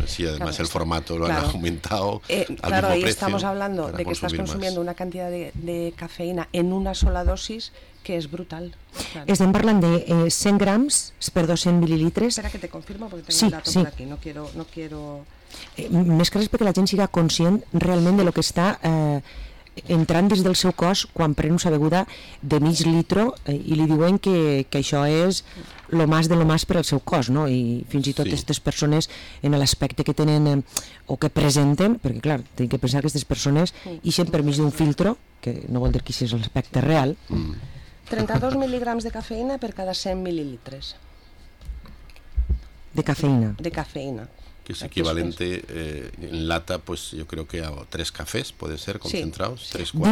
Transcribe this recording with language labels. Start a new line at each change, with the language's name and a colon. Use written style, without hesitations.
Spanish: Sí, además claro, el formato lo han aumentado. Claro, ahí estamos hablando de que estás consumiendo una cantidad de cafeína en una sola dosis que es brutal. Claro. Estamos hablando de 100 gramos por 200 mililitros. Espera que te confirmo porque tengo el dato por aquí, no quiero...
Catalan: Més que res perquè la gent siga conscient realment de lo que està... entrant des del seu cos quan pren una beguda de mig litro i li diuen que això és
Spanish: lo más de lo más
Catalan: per al seu cos, no? I fins i tot aquestes persones en l'aspecte que tenen o que presenten, perquè clar, tenen que pensar que aquestes persones ixen per mig d'un filtro, que no vol dir que això és l'aspecte real. 32 mil·ligrams de cafeïna per cada 100 mil·lilitres. De cafeïna. De cafeïna.
Spanish: Que es equivalente en lata, pues yo creo que a tres cafés, puede ser, concentrados, sí, tres, cuatro.